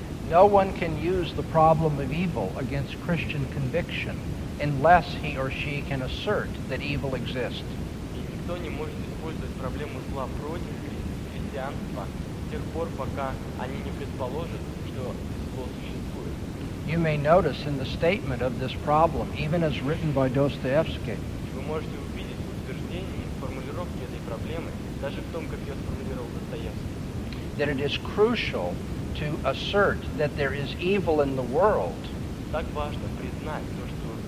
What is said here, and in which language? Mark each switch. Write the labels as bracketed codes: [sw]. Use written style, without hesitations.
[en] No one can use the problem of evil against Christian conviction unless he or she can assert that evil exists. [ru] И никто не может использовать проблему зла против христианства до тех пор, пока они не предположат, что зло существует. [en] You may notice in the statement of this problem, even as written by Dostoevsky, [ru] вы можете увидеть утверждение формулировки этой проблемы, даже в том, как ее сформулировал Достоевский, [en] that it is crucial to assert that there is evil in the world. [ru] Так важно признать то, что